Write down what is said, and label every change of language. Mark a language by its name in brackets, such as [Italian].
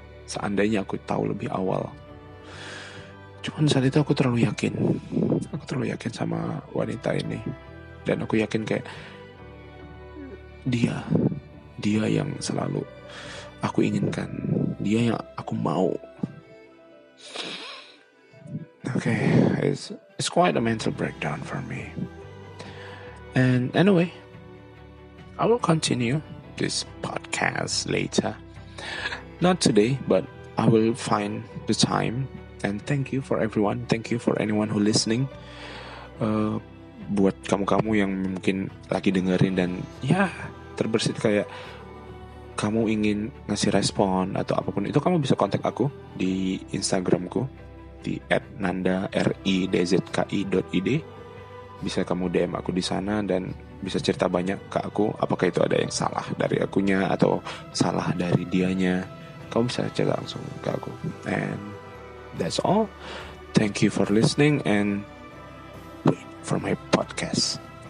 [Indonesian] Seandainya aku tahu lebih awal. Cuman saat itu aku terlalu yakin sama wanita ini. Dan aku yakin kayak, dia yang selalu aku inginkan, dia yang aku mau. [English] Okay, it's quite a mental breakdown for me. And anyway, I will continue this podcast later. Not today, but I will find the time. And thank you for everyone. Thank you for anyone who listening. [Indonesian] Buat kamu-kamu yang mungkin lagi dengerin dan ya terbersit kayak kamu ingin ngasih respon atau apapun itu, kamu bisa kontak aku di Instagramku di @nanda_ridzki.id. Bisa kamu DM aku di sana dan bisa cerita banyak ke aku, apakah itu ada yang salah dari akunya atau salah dari dianya. Kamu bisa cerita langsung ke aku. [English] And that's all. Thank you for listening and wait for my podcast.